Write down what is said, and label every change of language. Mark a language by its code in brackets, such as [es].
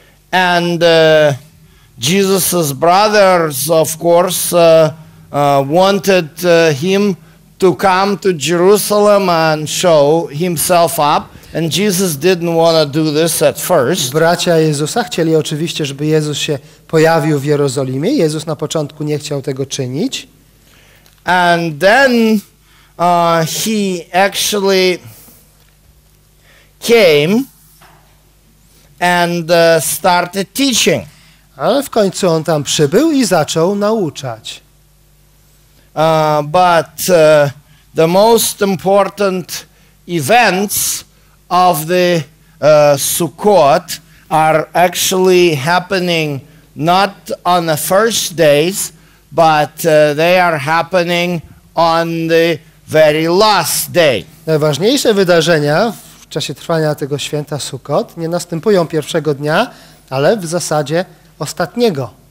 [en] And Jesus's brothers, of course, wanted him to come to Jerusalem and show himself up, and Jesus didn't want to do this at first. [pl] Bracia Jezusa chcieli oczywiście, żeby Jezus się pojawił w Jerozolimie. Jezus na początku nie chciał tego czynić. [en] And then he actually came and started teaching. [pl] Ale w końcu on tam przybył i zaczął nauczać. [en] But the most important events of the Sukkot are actually happening not on the first days, but they are happening on the very last day. [pl] Najważniejsze wydarzenia w czasie trwania tego święta Sukkot nie następują pierwszego dnia, ale w zasadzie ostatniego.